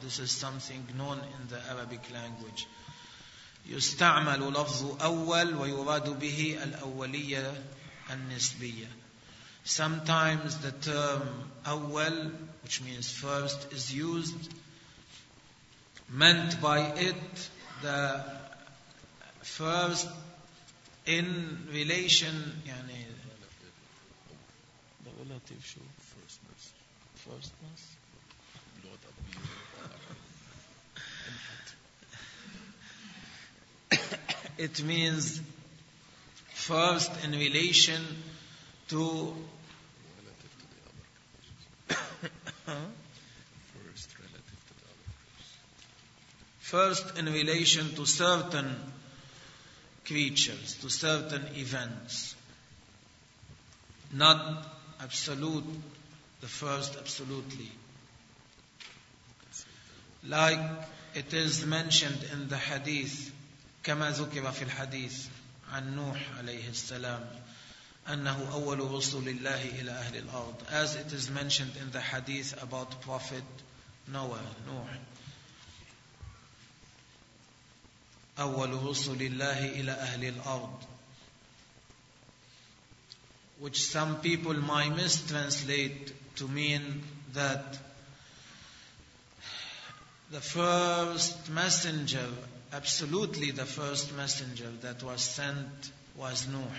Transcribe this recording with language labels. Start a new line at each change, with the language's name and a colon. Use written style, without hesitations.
English: This is something known in the Arabic language.
Arabic: يستعمل لفظ أول ويراد به الأولية النسبية.
English: Sometimes the term أول, which means first, is used, meant by it the first in relation, يعني the relative show firstness. Firstness. It means first in relation to relative to the other. First relative to the other. First in relation to certain creatures, to certain events. Not absolute, the first absolutely. Like it is mentioned in the hadith,
Arabic: كما ذكر في الحديث عن نوح عليه السلام أنه أول رسول الله إلى أهل الأرض.
English: As it is mentioned in the hadith about Prophet Noah, نوح,
Arabic: أول رسول الله إلى أهل الأرض.
English: Which some people might mistranslate to mean that the first messenger, absolutely the first messenger that was sent, was Nuh.